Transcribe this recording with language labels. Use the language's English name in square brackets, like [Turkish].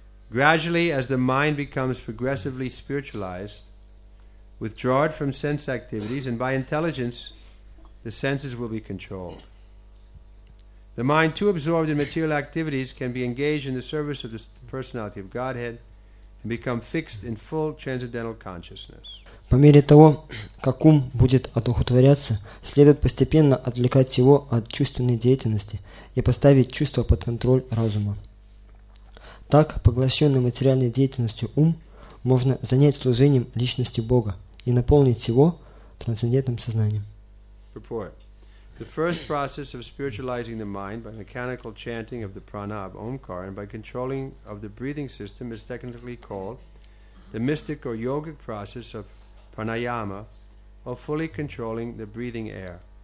[English] Gradually, as the mind becomes progressively spiritualized, withdraw it from sense activities, and by intelligence, the senses will be controlled. The mind too absorbed in material activities can be engaged in the service of the personality of Godhead and become fixed in full transcendental consciousness. [Russian] По мере того, как ум будет одухотворяться, следует постепенно отвлекать его от чувственной деятельности и поставить чувство под контроль разума. Так, поглощенный материальной деятельностью ум, можно занять служением личности Бога и наполнить его трансцендентным сознанием. [English] Purport. The first process of spiritualizing the mind by mechanical chanting of the prana of Omkar and by controlling of the breathing system is technically called the mystic or yogic process of pranayama, or fully controlling the breathing air.